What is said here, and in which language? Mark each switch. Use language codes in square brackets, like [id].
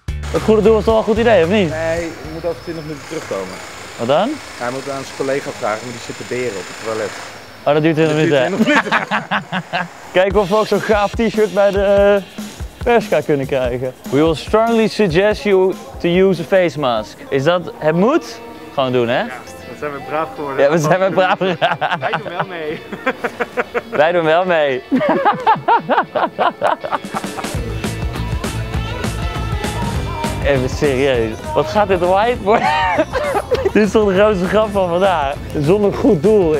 [nl] Het goede doel was toch wel een goed idee, of niet? Nee, je moet over 20 minuten terugkomen. Wat dan? Hij moet aan zijn collega vragen, maar die zit te beren op het toilet. Oh, dat duurt 20 minuten. Duurt 20 minuten. Kijken of we ook zo'n gaaf t-shirt bij de perska kunnen krijgen. [en] We will strongly suggest you to use a face mask. [nl] Is dat het moet? Gewoon doen, hè? Ja, dan zijn we braaf geworden. Ja, we zijn we braaf geworden. Wij doen wel mee. Wij doen wel mee. Even serieus, wat gaat dit whiteboard? Dit is toch de grootste grap van vandaag? Zonder goed doel.